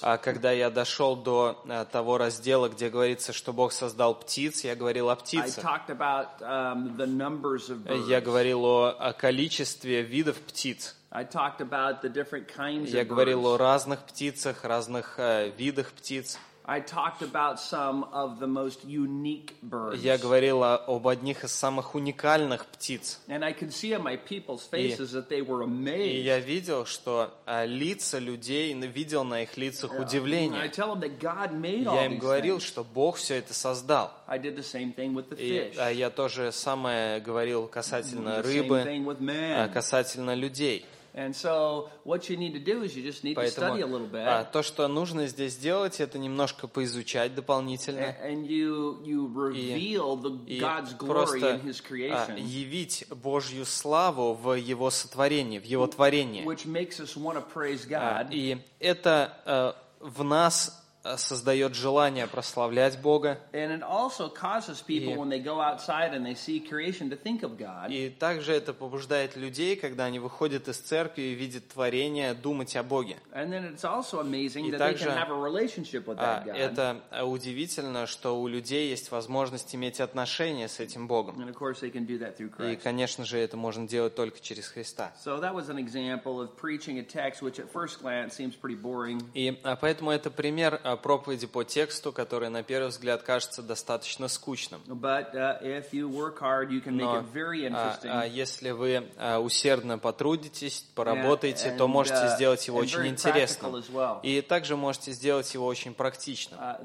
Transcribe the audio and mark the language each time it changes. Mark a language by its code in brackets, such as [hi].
[ru] А когда я дошел до того раздела, где говорится, что Бог создал птиц, я говорил о птицах. [en] I talked about the numbers of birds. [ru] Я говорил о количестве видов птиц. [en] I talked about the different kinds of birds. [ru] Я говорил о разных птицах, разных видах птиц. [en] I talked about some of the most unique birds. [ru] Я говорил об одних из самых уникальных птиц. [en] And I could see on my people's faces that they were amazed. [ru] И я видел, что лица людей, видел на их лицах удивление. [en] I tell them that God made all these things. [ru] Я им говорил, что Бог все это создал. [en] I did the same thing with the fish. [ru] И я тоже самое говорил касательно рыбы, касательно людей. [en] And so what you need to do is you just need to study a little bit. [ru] То, что нужно здесь сделать, это немножко поизучать дополнительно. [en] And you reveal God's glory in his creation. [ru] Явить Божью славу в его сотворении, в его творении. [en] Which makes us want to praise God. [ru] И это в нас создает желание прославлять Бога. [en] And it also causes people, when they go outside and they see creation, to think of God. [ru] И также это побуждает людей, когда они выходят из церкви и видят творение, думать о Боге. [en] And then it's also amazing that they can have a relationship with that God. [ru] Это удивительно, что у людей есть возможность иметь отношение с этим Богом. [en] And of course they can do that through Christ. [ru] И, конечно же, это можно делать только через Христа. [en] So that was an example of preaching a text which at first glance seems pretty boring. [ru] И поэтому это пример проповеди по тексту, который на первый взгляд кажется достаточно скучным. Но если вы усердно потрудитесь, поработаете, то можете сделать его очень интересным. [en] Well. [ru] И также можете сделать его очень практичным.